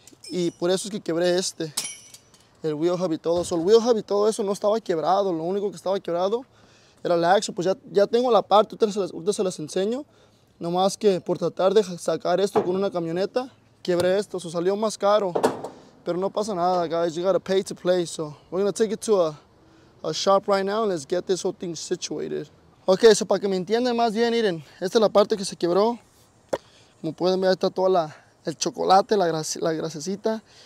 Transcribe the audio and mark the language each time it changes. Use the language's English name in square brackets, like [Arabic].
[Spanish] Y por eso es que quebré este, el wheel hub y todo. So, el wheel hub y todo eso no estaba quebrado, lo único que estaba quebrado era el axo. Pues ya tengo la parte, ustedes se las enseño. Nomás que por tratar de sacar esto con una camioneta, quebré esto. So, salió más caro, pero no pasa nada, guys. [English] You gotta pay to play, so we're gonna take it to a shop right now. Let's get this whole thing situated. [Spanish] Okay, so para que me entiendan más bien, miren, esta es la parte que se quebró. Como pueden ver, está toda el chocolate, la grasecita.